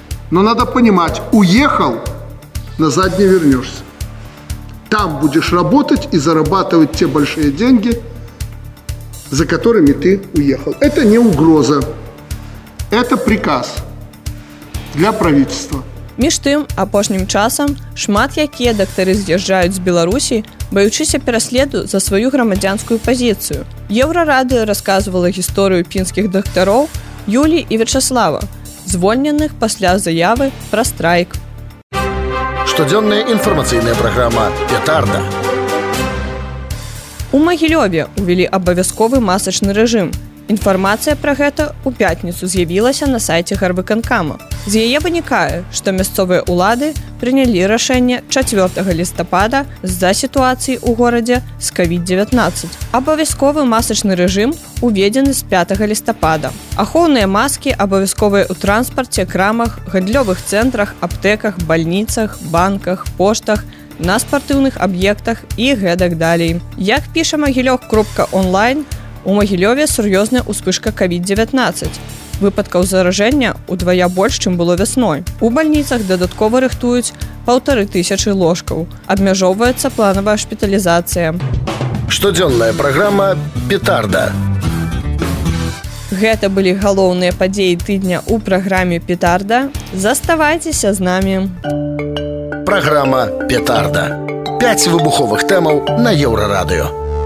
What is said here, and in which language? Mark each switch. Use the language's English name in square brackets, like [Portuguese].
[Russian] Но надо понимать, уехал – назад не вернешься. Там будешь работать и зарабатывать те большие деньги, за которыми ты уехал. Это не угроза. Это приказ для правительства. [Belarusian] Між тым, апошнім часам шмат якія дактары з'язджаюць з Беларусі, баючыся пераследу за сваю грамадзянскую пазіцыю. Еўрарадыё расказвала гісторыю пінскіх дактароў Юлі і Вячаслава, звольненых пасля заявы пра страйк. Щоденна інформаційна програма «Петарда». У Магілёве ўвілі абавязковы масачны рэжым. Інфармацыя пра гэта ў пятніцу з'явілася на сайце гарвыканкама. З яе вынікае, што мясцовыя ўлады прынялі рашэнне 4 лістапада з-за сітуацыі ў горадзе з COVID-19. Абавязковы масачны рэжым уведзены з 5 лістапада. Ахоўныя маскі абавязковыя ў транспарце, крамах, гандлёвых цэнтрах, аптэках, бальніцах, банках, поштах, на спартыўных аб'ектах і гэтак далей. Як піша Магілёв.онлайн, у Магілёве сур'ёзная успышка COVID-19. Выпадкаў заражэння ўдвая больш, чым было вясной. У бальніцах дадаткова рыхтуюць 1500 ложкаў. Абмяжоўваецца планавая шпіталізацыя. Штодзённая праграма «Петарда». Гэта былі галоўныя падзеі тыдня ў праграме «Петарда». Заставайцеся з намі. Праграма «Петарда». 5 выбуховых тэмаў на Еўрарадыё.